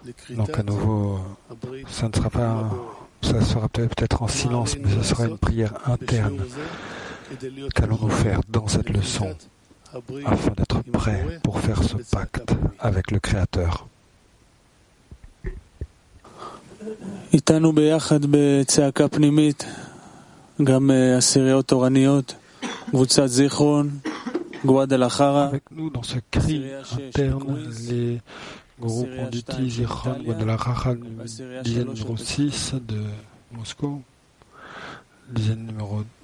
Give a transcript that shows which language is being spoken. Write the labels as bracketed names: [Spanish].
[French] Donc à nouveau, ça ne sera pas, ça sera peut-être en silence, mais ce sera une prière interne. Qu'allons-nous faire dans cette leçon afin d'être prêts pour faire ce pacte avec le Créateur? [Hebrew] איתנו ביחד בצעקה פנימית, גם עשיריות תורניות, קבוצת זיכרון, גואדלחרה. [French] Avec nous dans ce cri interne, les groupes ont dit Zichron, Guadalajara, dizaine numéro 6 de Moscou, dizaine numéro